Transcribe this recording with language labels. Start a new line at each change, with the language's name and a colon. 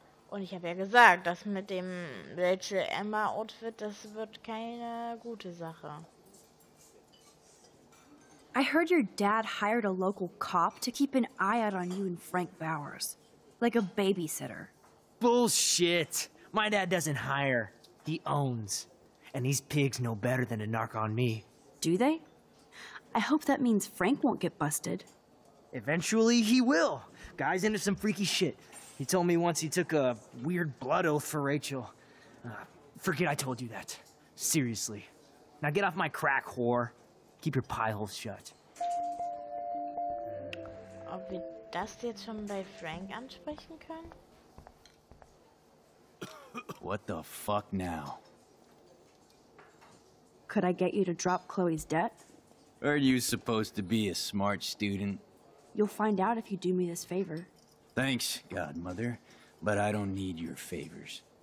German: Und ich habe ja gesagt, das mit dem Rachel Emma Outfit, das wird keine gute Sache.
English: I heard your dad hired a local cop to keep an eye out on you and Frank Bowers. Like a babysitter. Bullshit! My dad doesn't hire, he owns. And these pigs know better than to narc on me. Do they? I hope that means Frank won't get busted. Eventually, he will. Guy's into some freaky shit. He told me once he took a weird blood oath for Rachel. Forget I told you that. Seriously. Now get off my crack, whore. Keep your pie holes shut.
German: Ob wir das jetzt schon bei Frank ansprechen können?
English: What the fuck now? Could I get you to drop Chloe's debt? Are you supposed to be a smart student? You'll find out if you do me this favor. Thanks, Godmother, but I don't need your favors.